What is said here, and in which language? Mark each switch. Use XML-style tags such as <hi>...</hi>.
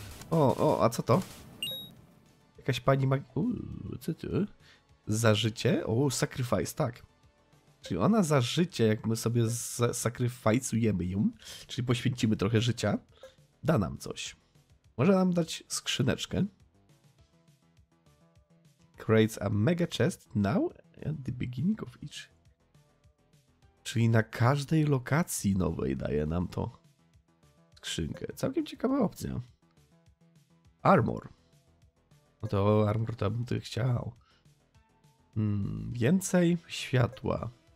<pl>O, a co to? Jakaś pani ma... co ty? Za życie? O, sacrifice, tak. Czyli ona za życie, jak my sobie sacrifice'ujemy ją, czyli poświęcimy trochę życia, da nam coś. Może nam dać skrzyneczkę.</pl> <en>Creates a mega chest now at the beginning of each...</en> <pl>Czyli na każdej lokacji nowej daje nam to skrzynkę. Całkiem ciekawa opcja. Armor. No to armor to bym tych chciał. Więcej światła.</pl>